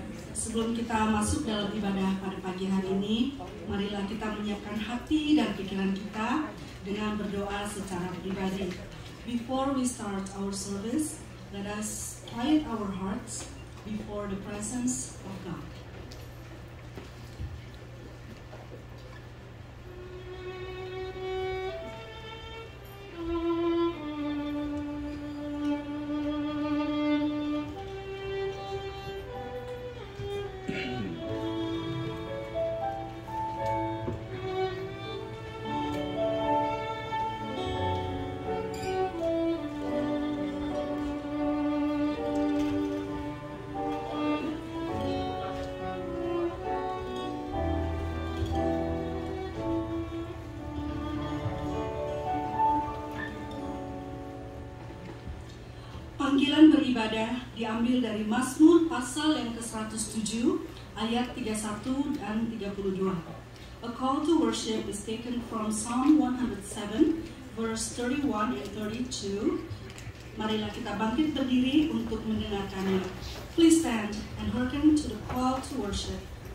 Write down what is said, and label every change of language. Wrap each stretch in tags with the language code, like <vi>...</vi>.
<id>Sebelum kita masuk dalam ibadah pada pagi hari ini, marilah kita menyiapkan hati dan pikiran kita dengan berdoa secara pribadi.</id> <en>Before we start our service, let us quiet our hearts before the presence of God.</en> <id>Diambil dari Mazmur pasal yang ke-107 ayat 31 dan 32.</id> <en>A call to worship is taken from Psalm 107 verse 31 and 32.</en> <id>Marilah kita bangkit berdiri untuk mendengarkannya.</id> <en>Please stand and hearken to the call to worship.</en>